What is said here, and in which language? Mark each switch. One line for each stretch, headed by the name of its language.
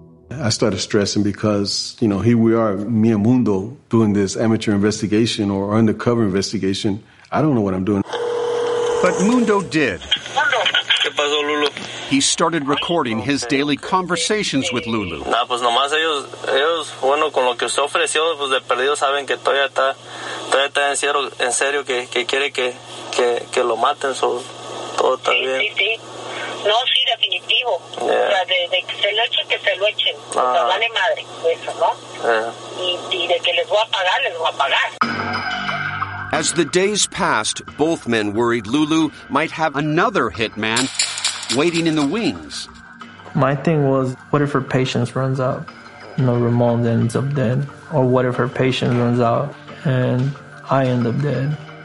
English: I started stressing because, here we are, me and Mundo, doing this amateur investigation or undercover investigation. I don't know what I'm doing. But Mundo did.
Spanish: Mundo. ¿Qué pasó, Lulu?
English: He started recording his daily conversations with Lulu.
Spanish: Nah, pues nomás ellos, bueno, con lo que usted ofreció, pues de perdido saben que todavía está en serio, que quiere que lo maten, so, todo está bien. Sí, sí, sí. No, sí, definitivo. Yeah. O sea, de que se lo echen, que se lo echen. Ah. O sea, vale madre, eso, ¿no?
English: Yeah.
Spanish: Y de que les voy a pagar, les voy a pagar.
English: As the days passed, both men worried Lulu might have another hitman waiting in the wings. My thing was, what if her patience runs out? Ramon ends up dead. Or what if her patience runs out and I end up dead?